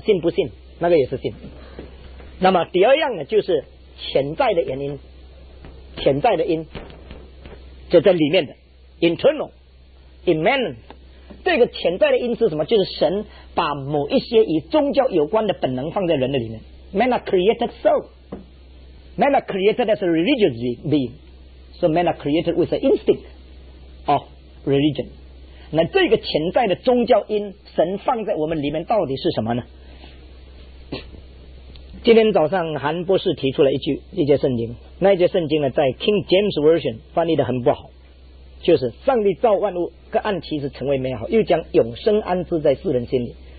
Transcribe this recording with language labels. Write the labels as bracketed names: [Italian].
[Chinese] 信不信？那个也是信。那么第二样呢，就是潜在的原因，潜在的因，就在里面的 internal，immanent。这个潜在的因是什么？就是神把某一些与宗教有关的本能放在人的里面。 [English] Man are created so. Man are created as a religious being. So man are created with an instinct of religion. [Chinese] 那这个潜在的宗教因，神放在我们里面到底是什么呢？今天早上韩博士提出了一节圣经，那一节圣经呢，在 King James Version 翻译的很不好。就是上帝造万物，各按其实成为美好，又将永生安置在世人心里。